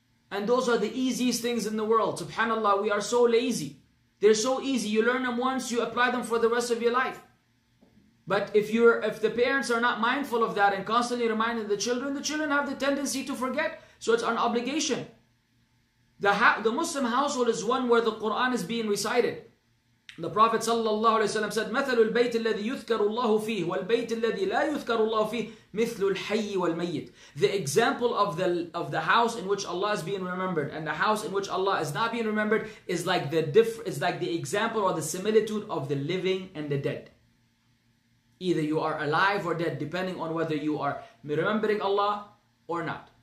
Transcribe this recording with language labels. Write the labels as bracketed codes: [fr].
[en] And those are the easiest things in the world. Subhanallah, we are so lazy. They're so easy. You learn them once, you apply them for the rest of your life. But if the parents are not mindful of that and constantly reminding the children have the tendency to forget. So it's an obligation. The Muslim household is one where the Quran is being recited. The Prophet sallallahu alaihi wasallam said, [ar] مثل البيت الذي يذكر الله فيه والبيت الذي لا يذكر الله فيه مثل الحي والميت. [en] The example of the house in which Allah is being remembered and the house in which Allah is not being remembered is like the example or the similitude of the living and the dead. Either you are alive or dead, depending on whether you are remembering Allah or not.